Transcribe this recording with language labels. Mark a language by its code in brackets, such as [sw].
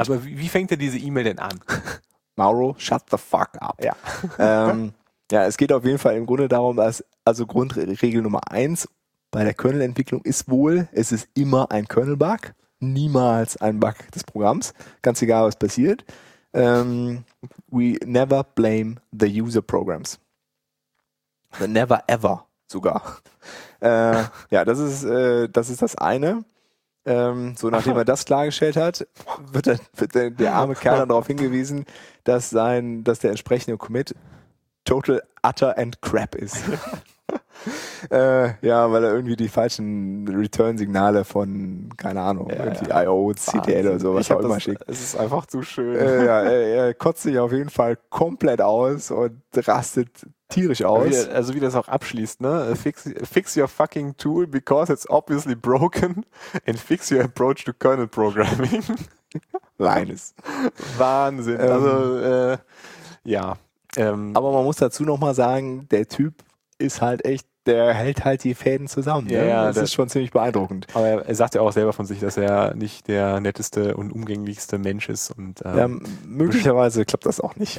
[de] Aber wie fängt er diese E-Mail denn an? [en] Mauro, shut the fuck up. [de] Ja. Ja, es geht auf jeden Fall im Grunde darum, dass, also Grundregel Nummer 1 bei der Kernel-Entwicklung ist wohl, es ist immer ein Kernel-Bug, niemals ein Bug des Programms, ganz egal, was passiert. [en] We never blame the user programs. Never ever [de] sogar. Ja, das ist das eine. So nachdem er das klargestellt hat, wird der arme Kerl dann darauf hingewiesen, dass der entsprechende Commit [en] total, utter and crap [de] ist. ja, weil er irgendwie die falschen Return-Signale von, keine Ahnung, irgendwie I.O., CTL Wahnsinn. Oder sowas auch immer schickt. Es ist einfach zu schön. Er kotzt sich auf jeden Fall komplett aus und rastet tierisch aus. Wie das auch abschließt, ne? [en] Fix your fucking tool because it's obviously broken and fix your approach to kernel programming. [de] Linus. Wahnsinn. Also, ja. Aber man muss dazu nochmal sagen, der Typ ist halt echt, der hält halt die Fäden zusammen. Ja, ne? das ist schon ziemlich beeindruckend. Aber er sagt ja auch selber von sich, dass er nicht der netteste und umgänglichste Mensch ist. Und ja, möglicherweise klappt das auch nicht.